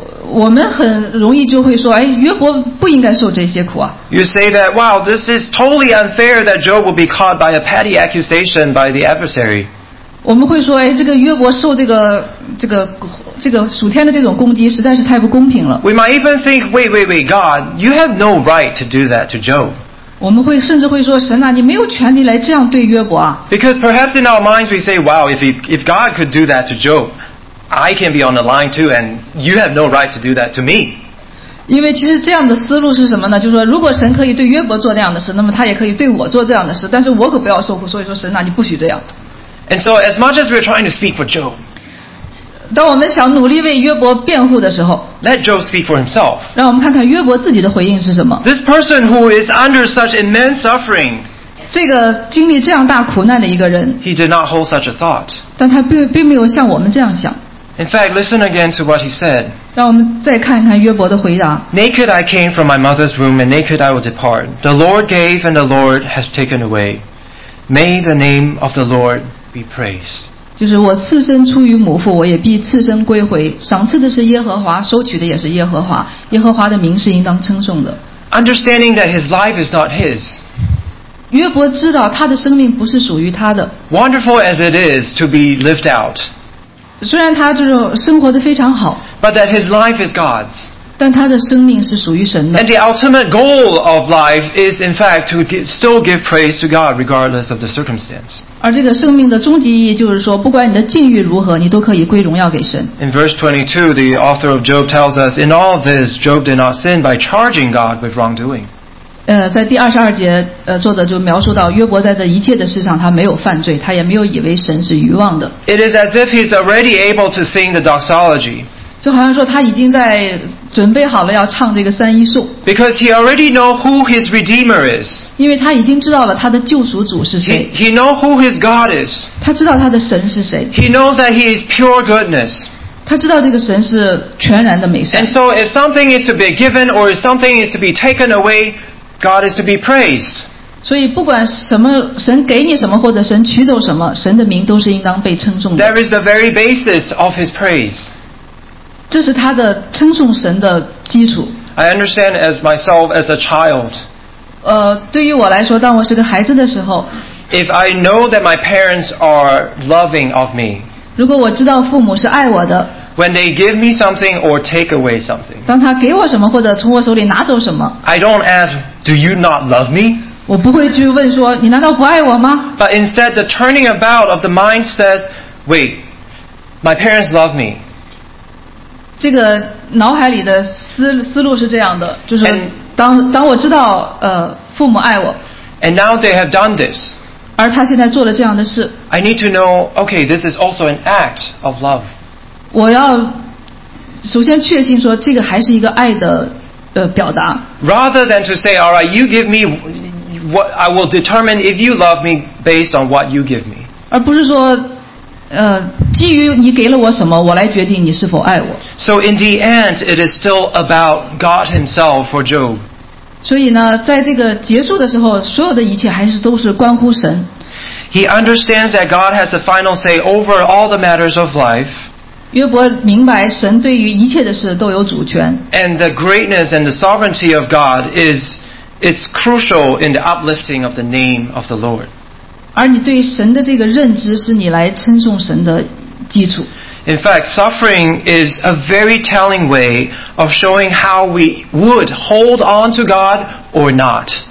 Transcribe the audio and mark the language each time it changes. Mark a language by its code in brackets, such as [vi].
[zh] 我们很容易就会说约伯不应该受这些苦啊 [en] You say that Wow, this is totally unfair That Job will be caught by a petty accusation By the adversary [zh] 我们会说这个约伯受这个这个属天的这种攻击实在是太不公平了。 [en] We might even think, wait, wait, wait, God, you have no right to do that to Job. [zh] 我们会甚至会说，神啊，你没有权利来这样对约伯啊。 [en] Because perhaps in our minds we say, wow, if God could do that to Job, I can be on the line too, and you have no right to do that to me. [zh] 因为其实这样的思路是什么呢？就是说，如果神可以对约伯做那样的事，那么他也可以对我做这样的事。但是我可不要受苦，所以说神啊，你不许这样。 [en] And so, as much as we're trying to speak for Job, [zh] 当我们想努力为约伯辩护的时候 [en] ，Let Job speak for himself. [zh] 让我们看看约伯自己的回应是什么。 [en] This person who is under such immense suffering, [zh] 这个经历这样大苦难的一个人 [en] ，He did not hold such a thought. [zh] 但他并没有像我们这样想。 [en] In fact, listen again to what he said. [zh] 让我们再看一看约伯的回答。 [en] Naked I came from my mother's womb, and naked I will depart. The Lord gave, and the Lord has taken away. May the name of the Lord be praised. [zh] 就是我赤身出于母腹，我也必赤身归回。赏赐的是耶和华，收取的也是耶和华。耶和华的名是应当称颂的。 [en] Understanding that his life is not his. [zh] 约伯知道他的生命不是属于他的。 [en] Wonderful as it is to be lived out. [zh] 虽然他就是生活得非常好 [en] But that his life is God's. [zh] 但他的生命是属于神的 [en] And the ultimate goal of life is in fact to still give praise to God regardless of the circumstance. [zh] 而这个生命的终极意义就是说不管你的境遇如何你都可以归荣耀给神 [en] In verse 22, the author of Job tells us, In all this, Job did not sin by charging God with wrongdoing. [zh] 在第22节作者就描述到约伯在这一切的事上他没有犯罪他也没有以为神是愚妄的 [en] It is as if he's already able to sing the doxology [zh] 就好像说他已经在准备好了要唱这个三一颂 [en] Because he already know who his redeemer is [zh] 因为他已经知道了他的救赎主是谁 [en] He know who his God is [zh] 他知道他的神是谁 [en] He knows that he is pure goodness [zh] 他知道这个神是全然的美善 [en] And so if something is to be given or if something is to be taken awayGod is to be praised. [zh] 所以不管什么神给你什么或者神取走什么神的名都是应当被称颂的。 [en] There is the very basis of his praise. [zh] 这是他的称颂神的基础。 [en] I understand as myself as a child. [zh] 对于我来说当我是个孩子的时候 [en] If I know that my parents are loving of me. [zh] 如果我知道父母是爱我的 [en] When they give me something or take away something. [zh] 当他给我什么或者从我手里拿走什么 [en] I don't ask,Do you not love me? [zh] 我不会去问说你难道不爱我吗 [en] But instead the turning about of the mind says Wait, my parents love me [zh] 这个脑海里的 思路是这样的就是 当我知道父母爱我 [en] And now they have done this [zh] 而他现在做了这样的事 [en] I need to know, okay, this is also an act of love [zh] 我要首先确信说这个还是一个爱的表达 [en] Rather than to say, all right, you give me what I will determine if you love me based on what you give me. [zh] 而不是说，基于你给了我什么，我来决定你是否爱我。 [en] So in the end, it is still about God Himself for Job. [zh] 所以呢，在这个结束的时候，所有的一切还是都是关乎神。 [en] He understands that God has the final say over all the matters of life. [zh] 约伯明白神对于一切的事都有主权。 [en] And the greatness and the sovereignty of God is crucial in the uplifting of the name of the Lord. [zh] 而你对神的这个认知是你来称颂神的基础。 [en] In fact, suffering is a very telling way of showing how we would hold on to God or not.